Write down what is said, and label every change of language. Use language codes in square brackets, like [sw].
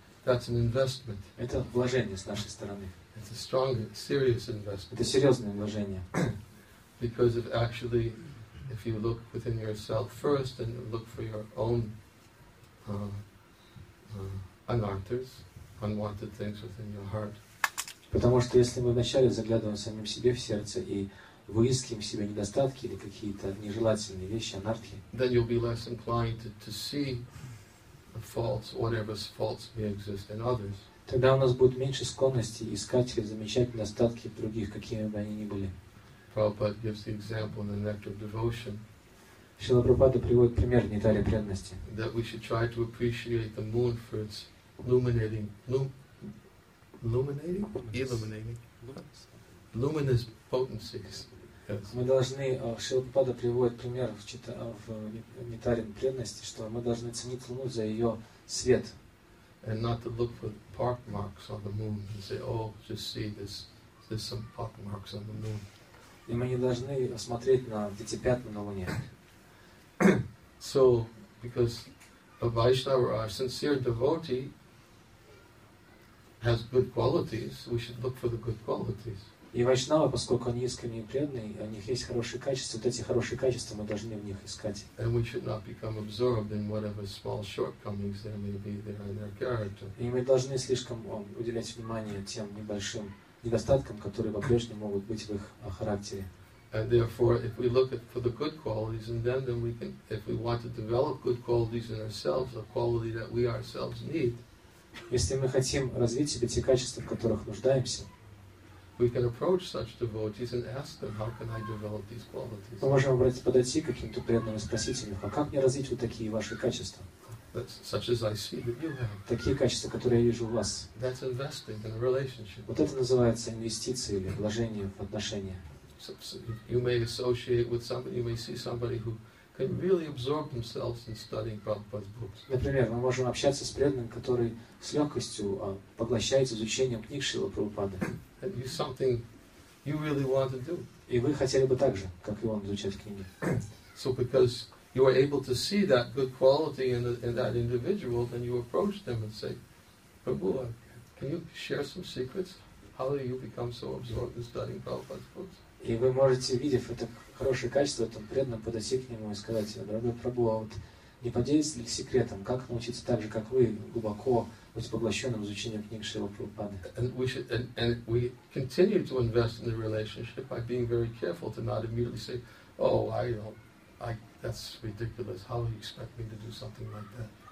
[en] That's an investment. [ru] Это вложение с нашей стороны. [en] It's a strong, serious investment. [ru] Это серьезное вложение. [en] Because if actually, if you look within yourself first and look for your own anarthas, unwanted things within your heart. [ru] Потому что если мы вначале заглядываем самим себе в сердце и выискиваем в себе недостатки или какие-то нежелательные вещи, анартхи, [en] then you'll be less inclined to see the faults, whatever faults may exist in others. [ru] Тогда у нас будет меньше склонности искать или замечать недостатки других, какими бы они ни были. [en] Prabhupada gives the example in the Nectar of Devotion. [ru] Шрила Прабхупада приводит пример нектара преданности. [en] That we should try to appreciate the moon for its illuminating, luminous potencies. [ru] Мы должны, Шрила Прабхупада приводит пример в нектаре преданности, что мы должны ценить луну за ее свет. [en] And not to look for park marks on the moon and say, "Oh, just see this. There's some park marks on the moon." [ru] И мы не должны смотреть на эти пятна на Луне. [en] So, because a Vaishnava, a sincere devotee, has good qualities, we should look for the good qualities. [ru] И вайшнава, поскольку они искренне преданные, у них есть хорошие качества, вот эти хорошие качества мы должны в них искать. [en] And we should not become absorbed in whatever small shortcomings there may be there in their character. [ru] И мы должны слишком уделять внимание тем небольшим недостаткам, которые по-прежнему могут быть в их характере. [en] And therefore, if we look for the good qualities in them, then we can, if we want to develop good qualities in ourselves, a quality that we ourselves need. [ru] Если мы хотим развить себе те качества, в которых нуждаемся, [en] we can approach such devotees and ask them, "How can I develop these qualities?" [ru] Мы можем подойти к каким-то преданным и спросить их, а как мне развить вот такие ваши качества? [en] Such as I see that you have. [ru] Такие качества, которые я вижу у вас. [en] That's investing in a relationship. [ru] Вот это называется инвестиция или вложение в отношения. [en] You may associate with somebody, you may see somebody who can really absorb themselves in studying Prabhupada's books. [ru] Например, мы можем общаться с преданным, который с легкостью поглощается изучением книг Шрилы Прабхупады. [en] And you something you really want to do. [ru] И вы хотели бы так же, как и он, изучать книги. [en] So because you are able to see that good quality in, the, in that individual, then you approach them and say, "Prabhu, can you share some secrets? How do you become so absorbed in studying Prabhupada's books?" [ru] И вы можете, видев это хорошее качество, там преданно подойти к нему и сказать: "Дорогой Прабху, а вот не поделитесь ли секретом, как научиться так же, как вы, глубоко быть поглощенным изучением книг Шрилы Прабхупады?" [en] And we should, and we continue to invest in the relationship by being very careful to not immediately say, "Oh, I don't, I, that's ridiculous. How do you expect me to do something like that?"